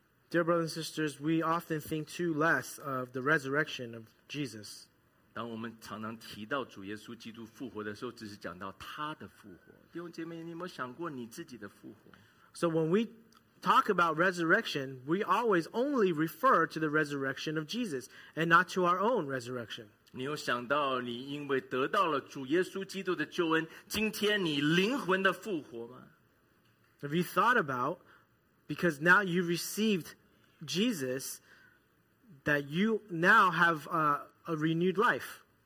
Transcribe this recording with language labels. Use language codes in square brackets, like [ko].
[en] Dear brothers and sisters, we often think too less of the resurrection of Jesus. [zh] 当我们常常提到主耶稣基督复活的时候，只是讲到他的复活。弟兄姐妹，你有没有想过你自己的复活？ [en] So when we talk about resurrection, we always only refer to the resurrection of Jesus and not to our own resurrection. [zh] 你有想到你因为得到了主耶稣基督的救恩，今天你灵魂的复活吗？ [en] Have you thought about, because now you received Jesus, that you now have a renewed life?